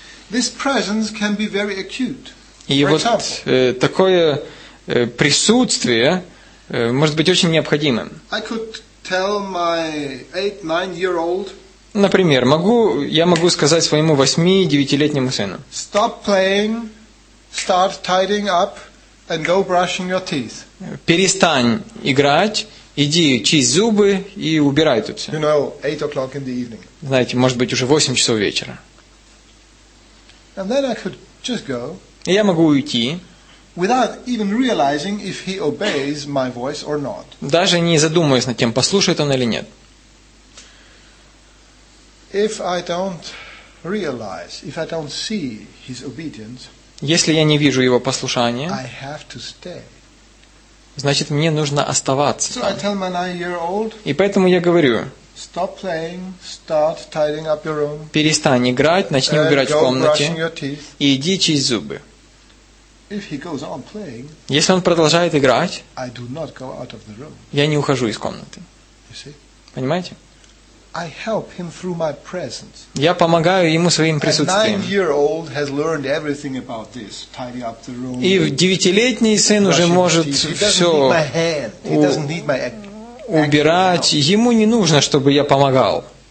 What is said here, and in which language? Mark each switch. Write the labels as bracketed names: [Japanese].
[English] This presence can be very acute. [Russian] И вот такое присутствие может быть очень необходимым. [English] I could tell my 8-9-year-old, [Russian] например, я могу сказать своему 8-9-летнему сыну: [English] Stop playing, start tidying up, and go brushing your teeth. [Russian] Перестань играть, иди чисть зубы и убирай тут все. [English] You know, 8 o'clock in the evening. [Russian] Знаете, может быть, уже 8 часов вечера. [English] And then I could just go. [Russian] И я могу уйти, [English] without even realizing if he obeys my voice or not. [Russian] Даже не задумываясь над тем, послушает он или нет. [English] If I don't realize, if I don't see his obedience, [Russian] если я не вижу его послушания, [English] I have to stay. [Russian] Значит, мне нужно оставаться. [English] So I tell my 9-year-old, [Russian] и поэтому я говорю: [English] Stop playing, start tidying up your room. [Russian] Перестань играть, начни убирать в комнате. И иди чисть зубы. [English] If he goes on playing, [Russian] если он продолжает играть, [English] I do not go out of the room. [Russian] Я не ухожу из комнаты. [English] You see? [Russian] Понимаете? [English] I help him through my presence. [Russian] Я помогаю ему своим присутствием. [English] A 9-year-old has learned everything about this, tidy up the room. [Russian] И 9-летний сын уже может все. [English] He doesn't need my hand. [Russian] Убирать. Ему не нужно, чтобы я помогал.